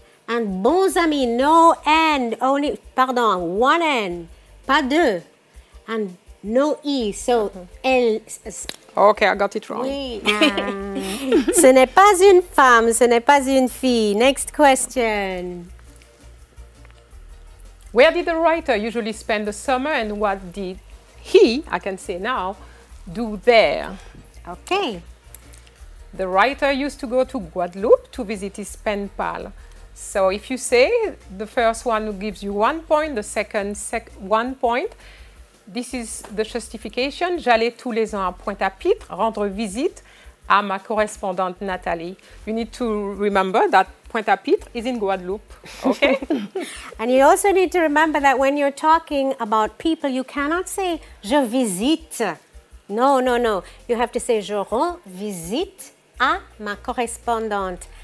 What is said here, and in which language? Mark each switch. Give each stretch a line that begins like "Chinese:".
English: And bons amis, no N, only, pardon, one N,
French: pas deux.
English: And no E, so L. Okay, I got it wrong.
French: Oui. Ce n'est pas une femme, ce n'est pas une fille.
English: Next question. Where did the writer usually spend the summer and what did he, I can say now, do there? Okay. The writer used to go to Guadeloupe to visit his pen pal. So if you say the first one gives you 1 point, the second 1 point, this is the justification.
French: J'allais tous les ans à Pointe-à-Pitre rendre visite à ma correspondante Nathalie.
English: You need to remember that Pointe-à-Pitre is in Guadeloupe. Okay? And you also need to remember that when you're talking about people, you cannot say je visite. No, no, no. You have to say je rends visite à ma correspondante.